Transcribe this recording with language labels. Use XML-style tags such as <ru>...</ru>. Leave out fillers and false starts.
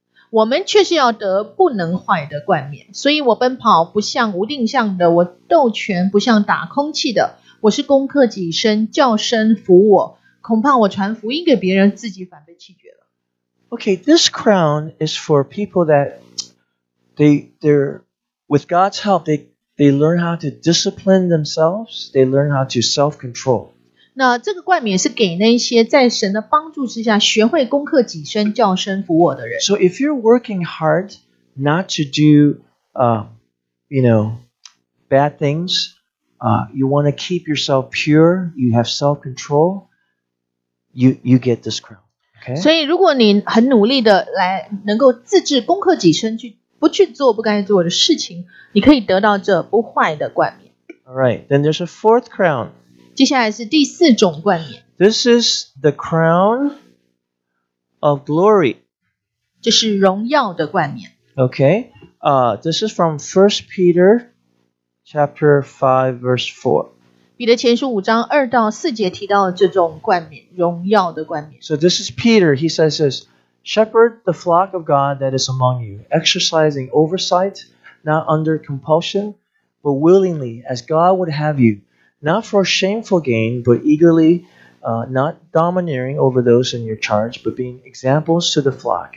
<zh>我们却是要得不能坏的冠冕，所以我奔跑不像无定向的，我斗拳不像打空气的，我是攻克己身，叫身服我，恐怕我传福音给别人，自己反被弃绝了。</zh> <en>Okay, this crown is for people that they're with God's help, they learn how to discipline themselves, they learn how to self-control.</en> <zh>那这个冠冕是给那些在神的帮助之下学会攻克己身、叫身服我的人。</zh> <en>So if you're working hard not to do, bad things, you want to keep yourself pure, you have self-control, you get this crown. Okay.</en> <zh>所以如果你很努力的来能够自制、攻克己身，去不去做不该做的事情，你可以得到这不坏的冠冕。</zh> <en>All right. Then there's a fourth crown.</en> <zh>接下来是第四种冠冕。</zh> <en>This is the crown of glory.</en> <zh>这是荣耀的冠冕。</zh> <en>Okay, this is from 1 Peter chapter 5 verse 4.</en> <zh>彼得前书五章二到四节提到这种冠冕，荣耀的冠冕。</zh> <en>So this is Peter, he says this, Shepherd the flock of God that is among you, exercising oversight, not under compulsion, but willingly, as God would have you, not for shameful gain, but eagerly, not domineering over those in your charge, but being examples to the flock.</en>